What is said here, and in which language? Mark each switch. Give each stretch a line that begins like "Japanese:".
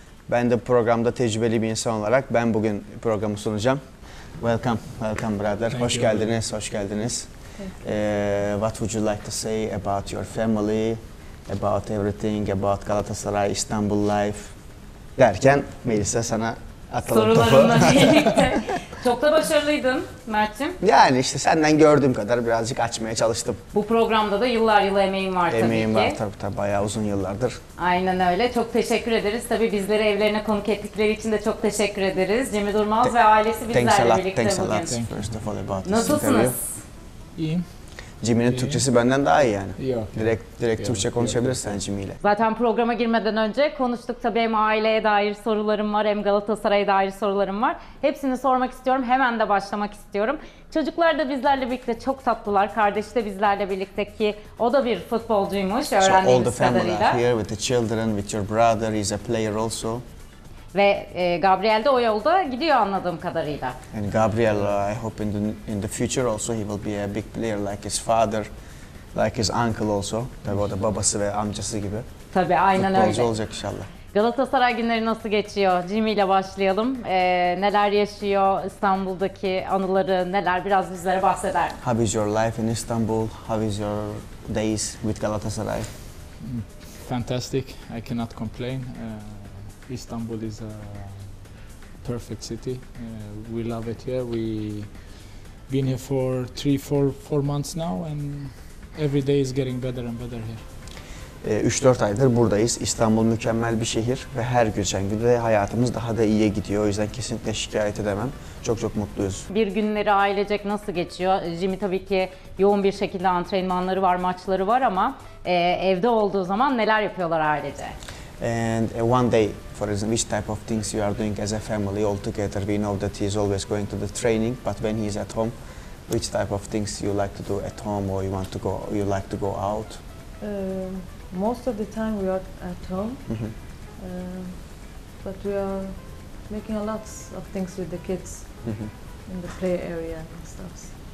Turkish: Ben de programda tecrübeli bir insan olarak ben bugün programı sunacağım.
English: Welcome, welcome brother.
Turkish: Hoş geldiniz, hoş geldiniz.
English: What would you like to say about your family, about everything, about Galatasaray, Istanbul life
Turkish: derken Melisa sana atalım topu. Çok da başarılıydın Mert'im. Yani işte senden gördüğüm kadar birazcık açmaya çalıştım. Bu programda da yıllar yılı emeğin var tabii ki. Emeğin var tabii tabii, bayağı uzun yıllardır. Aynen öyle. Çok teşekkür ederiz. Tabii bizleri evlerine konuk ettikleri için de çok teşekkür ederiz. Jimmy Durmaz ve ailesi bizlerle birlikte
English: thanks
Turkish: bugün.
English: Thanks a lot. First of all about this.
Turkish: Nasılsınız? İyiyim. Jimmy'nin Türkçesi benden daha iyi yani. Yok. Direkt Türkçe konuşabilirsen Jimmy'yle. Zaten programa girmeden önce konuştuk. Tabii hem aileye dair sorularım var, hem Galatasaray'a dair sorularım var. Hepsini sormak istiyorum. Hemen de başlamak istiyorum. Çocuklar da bizlerle birlikte çok tatlılar. Kardeşi de bizlerle birlikte ki o da bir futbolcuymuş.
English: So all the family are here with the children, with your brother. He's a player also.
Turkish: Ve Gabriel de o yolda gidiyor anladığım kadarıyla.
English: And Gabriel, I hope in the future also he will be a big player like his father, like his uncle also.
Turkish: Tabii o da babası ve amcası gibi. Tabii aynen futbolcu öyle. Futbolcu olacak inşallah. Galatasaray günleri nasıl geçiyor? Jimmy ile başlayalım. Neler yaşıyor İstanbul'daki anıları neler? Biraz bizlere bahseder.
English: How is your life in Istanbul? How is your days with Galatasaray? Fantastic. I cannot complain. Istanbul is a perfect city. We love it here. We been here for 3-4 months now and every day is getting better and better here.
Turkish: 3-4 aydır buradayız. İstanbul mükemmel bir şehir ve her geçen gün de hayatımız daha da iyiye gidiyor. O yüzden kesinlikle şikayet edemem. Çok çok mutluyuz. Bir günleri ailecek nasıl geçiyor? Jimmy tabii ki yoğun bir şekilde antrenmanları var, maçları var ama evde olduğu zaman neler yapıyorlar ailece?
English: And one day, for example, which type of things you are doing as a family all together? We know that he is always going to the training, but when he is at home, which type of things you like to do at home, or you want to go, you like to go out? Most of the time we are at home, but we are making a lot of things with the kids in the play area and stuff.